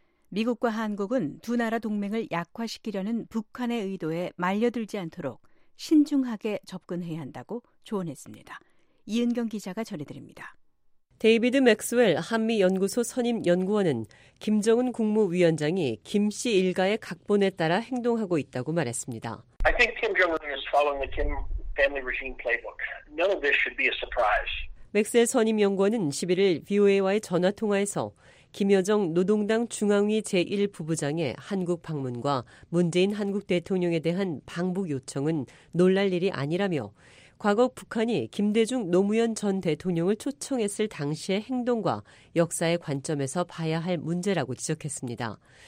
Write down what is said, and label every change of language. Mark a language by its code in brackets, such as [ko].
[ko] 미국과 한국은 두 나라 동맹을 약화시키려는 북한의 의도에 말려들지 않도록 신중하게 접근해야 한다고 조언했습니다. 이은경 기자가 전해드립니다. 데이비드 맥스웰 한미연구소 선임연구원은 김정은 국무위원장이 김 씨 일가의 각본에 따라 행동하고 있다고 말했습니다. [en] I think Kim Jong-un is following the Kim family regime playbook. None of this should be a surprise. [ko] 맥스웰 선임연구원은 11일 VOA와의 전화통화에서 김여정 노동당 중앙위 제1부부장의 한국 방문과 문재인 한국 대통령에 대한 방북 요청은 놀랄 일이 아니라며 과거 북한이 김대중 노무현 전 대통령을 초청했을 당시의 행동과 역사의 관점에서 봐야 할 문제라고 지적했습니다.